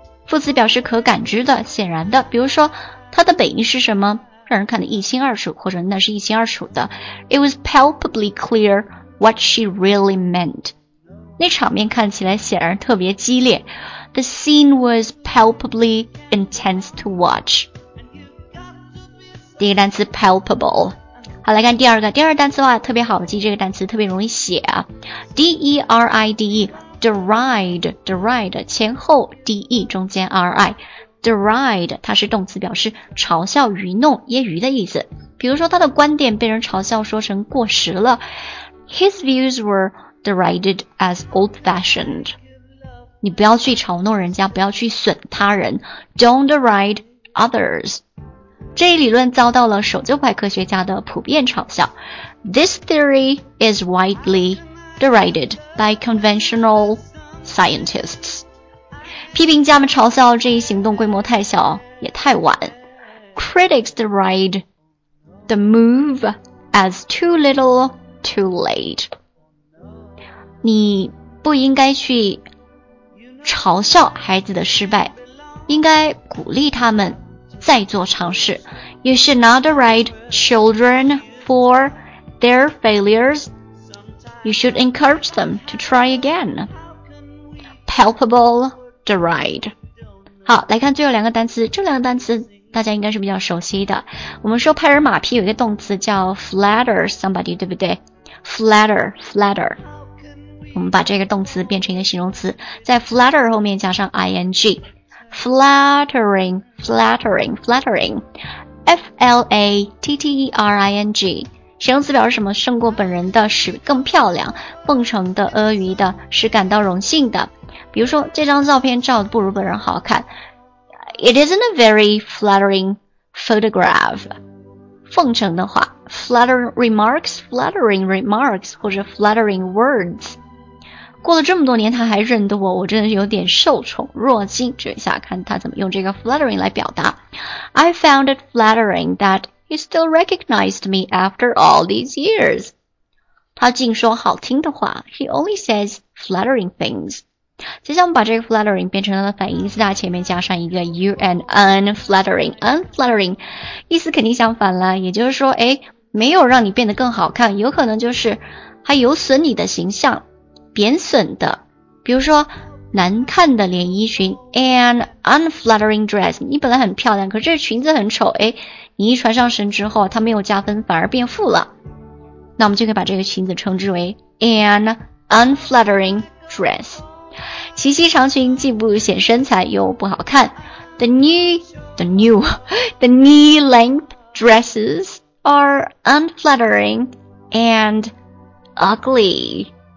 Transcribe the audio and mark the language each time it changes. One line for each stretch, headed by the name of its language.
Chinese: 副词表示可感知的、显然的，比如说它的本意是什么，让人看得一清二楚，或者那是一清二楚的。
English: It was palpably clear what she really meant.
Chinese: 那场面看起来显然特别激烈。
English: The scene was palpably intense to watch.
Chinese: 第一个单词 palpable。好，来看第二个，第二个单词的话特别好记，这个单词特别容易写啊。 D-E-R-I-D-E, deride, deride, 前后 D-E, 中间 R-I, deride, 它是动词表示嘲笑、愚弄、揶揄的意思。比如说他的观点被人嘲笑说成过时了。
English: His views were derided as old-fashioned.
Chinese: 你不要去嘲弄人家，不要去损他人。
English: Don't deride others.
Chinese: 这一理论遭到了守旧派科学家的普遍嘲笑。
English: This theory is widely derided by conventional scientists.
Chinese: 批评家们嘲笑这一行动规模太小，也太晚。
English: Critics deride the move as too little, too late.
Chinese: 你不应该去嘲笑孩子的失败，应该鼓励他们再做尝试。
English: You should not deride children for their failures. You should encourage them to try again. Palpable deride.
Chinese: 好，来看最后两个单词，这两个单词大家应该是比较熟悉的。我们说拍人马屁有一个动词叫 flatter somebody, 对不对？ Flatter, flatter. 我们把这个动词变成一个形容词，在 flatter 后面加上 ing. Flattering, flattering, flattering, F-L-A-T-T-E-R-I-N-G, 形容词表示什么？胜过本人的，使更漂亮，奉承的，阿谀的，使感到荣幸的。比如说，这张照片照得不如本人好看。
English: It isn't a very flattering photograph.
Chinese: 奉承的话 flattering remarks, 或者 flattering words. 过了这么多年他还认得我，我真的有点受宠若惊。这一下看他怎么用这个 flattering 来表达。
English: I found it flattering that he still recognized me after all these years.
Chinese: 他竟说好听的话。
English: He only says flattering things.
Chinese: 接下来我们把这个 flattering 变成它的反义词，在前面加上一个 you and unflattering. Unflattering 意思肯定相反了，也就是说没有让你变得更好看，有可能就是还有损你的形象。贬损的，比如说难看的连衣裙 an unflattering dress, 你本来很漂亮，可是这裙子很丑，你一穿上身之后它没有加分反而变负了，那我们就可以把这个裙子称之为 an unflattering dress。齐膝长裙既不显身材又不好看。
English: The knee length dresses are unflattering and ugly.